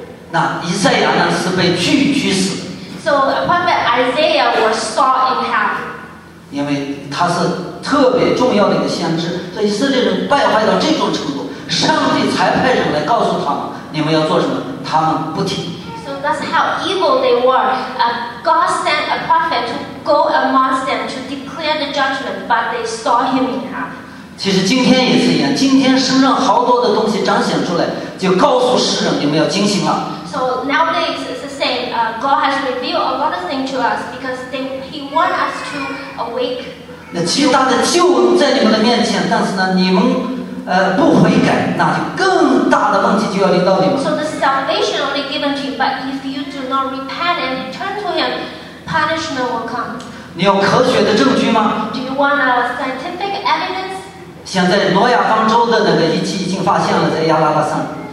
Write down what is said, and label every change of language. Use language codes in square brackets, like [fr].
[zh] 那以赛亚呢是被锯去死。 [en] So Prophet Isaiah was sawed in half. [zh] 因为他是特别重要的一个先知，所以以色列人败坏到这种程度，上帝才派人来告诉他们你们要做什么，他们不听。 [en] So that's how evil they were. God sent a prophet to go amongst them to declare the judgment, but they saw him in half. [zh] 其实今天也是一样，今天神让好多的东西彰显出来，就告诉世人你们要警醒了。 [en] So nowadays it's the same. God has revealed a lot of things to us because He want us to awake. [zh] 那极大的救恩在你们的面前，但是呢，你们不悔改，那就更大的问题就要临到你们。 [en] So the salvation only given to you, but if you do not repent and turn to Him, punishment will come. [zh] 你有科学的证据吗 [en] ？Do you want a scientific evidence? [zh] 现在挪亚方舟的那个遗迹已经发现了，在亚拉拉山。